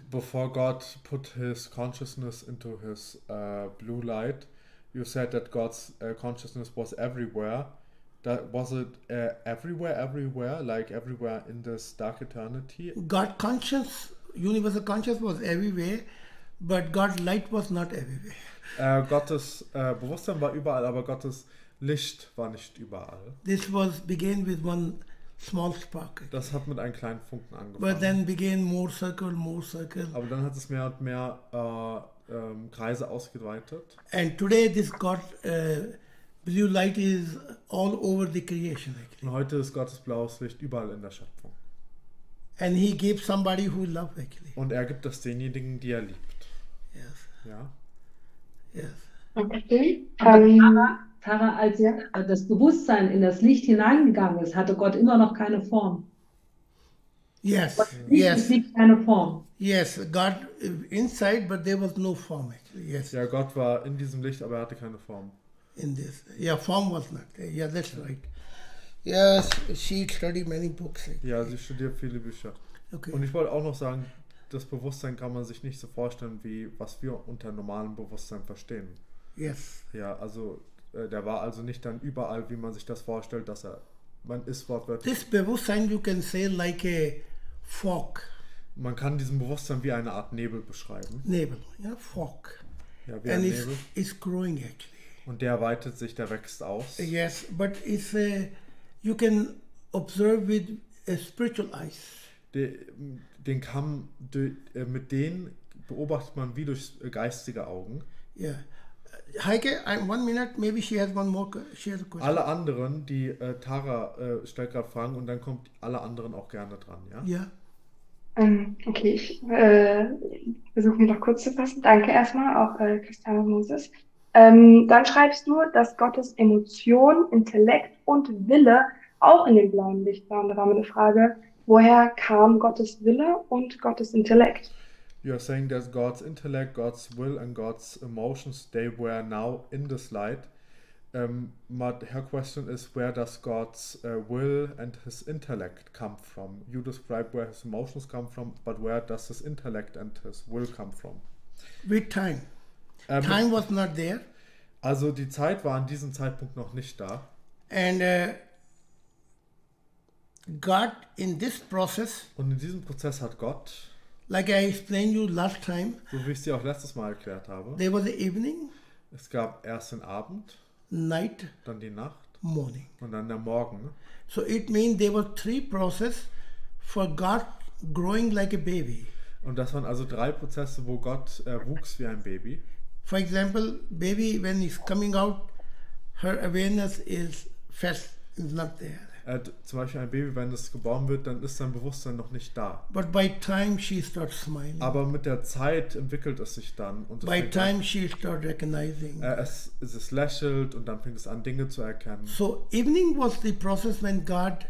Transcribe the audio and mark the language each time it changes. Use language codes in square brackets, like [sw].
[en] Before God put his consciousness into his blue light, you said that God's consciousness was everywhere. That was it everywhere, like everywhere in this dark eternity. God conscious, universal conscious was everywhere, but God's light was not everywhere. [de] Gottes Bewusstsein war überall, aber Gottes Licht war nicht überall. [en] This was began with one small spark. [de] Das hat mit einem kleinen Funken angefangen. [en] But then began more circle. [de] Aber dann hat es mehr und mehr Kreise ausgeweitet. [en] And today this God blue light is all over the creation. Actually. [de] Und heute ist Gottes blaues Licht überall in der Schöpfung. [en] And he gives somebody who loves actually. [de] Und er gibt das denjenigen, die er liebt. [en] Yes. [de] Ja. [en] Yes. Okay. [de] Tara, als das Bewusstsein in das Licht hineingegangen ist, hatte Gott immer noch keine Form. [en] Yes. [de] Es liegt keine Form. [en] Yes, God inside, but there was no form. Yes. [de] Ja, Gott war in diesem Licht, aber er hatte keine Form. [en] In this. Yeah, form was not there. Yeah, that's right. Yes, she studied many books. [de] Ja, sie studiert viele Bücher. [en] Okay. [de] Und ich wollte auch noch sagen, das Bewusstsein kann man sich nicht so vorstellen, wie was wir unter normalem Bewusstsein verstehen. [en] Yes. [de] Ja, also der war also nicht dann überall, wie man sich das vorstellt, dass er, man ist wortwörtlich. [en] This Bewusstsein, you can say like a fog. [de] Man kann diesem Bewusstsein wie eine Art Nebel beschreiben. Nebel, ja, fog. Ja, wie ein [en] and [de] Nebel. [en] And it's growing actually. [de] Und der weitet sich, der wächst aus. [en] Yes, but it's you can observe with a spiritual eyes. [de] Den kann, mit denen beobachtet man wie durch geistige Augen. [en] Ja. Yeah. Heike, one minute, maybe she has one more question. [de] Alle anderen, die Tara stellt gerade Fragen und dann kommt alle anderen auch gerne dran, ja? Ja. Okay, ich versuche mich noch kurz zu fassen. Danke erstmal, auch Christian und Moses. Dann schreibst du, dass Gottes Emotion, Intellekt und Wille auch in dem blauen Licht waren. Da war meine Frage, woher kam Gottes Wille und Gottes Intellekt? [en] You are saying that God's intellect, God's will and God's emotions, they were now in this light. But her question is, where does God's will and his intellect come from? You describe where his emotions come from, but where does his intellect and his will come from? With time. Time was not there. [de] Also die Zeit war an diesem Zeitpunkt noch nicht da. [en] And God in this process. [de] Und in diesem Prozess hat Gott. [en] Like I explained you last time. [de] So wie ich es dir auch letztes Mal erklärt habe. [en] There was the evening. [de] Es gab erst den Abend. [en] Night. [de] Dann die Nacht. [en] morning. [de] Und dann der Morgen. Ne? [en] So it means there were three processes for God growing like a baby. [de] Und das waren also drei Prozesse, wo Gott wuchs wie ein Baby. [en] For example, baby when he's coming out, her awareness is first is not there. [de] Zum Beispiel ein Baby, wenn es geboren wird, dann ist sein Bewusstsein noch nicht da. [en] But by time she starts smiling. [de] Aber mit der Zeit entwickelt es sich dann. Und [en] by time she starts recognizing. [de] Es lächelt und dann fängt es an, Dinge zu erkennen. [en] So evening was the process when God.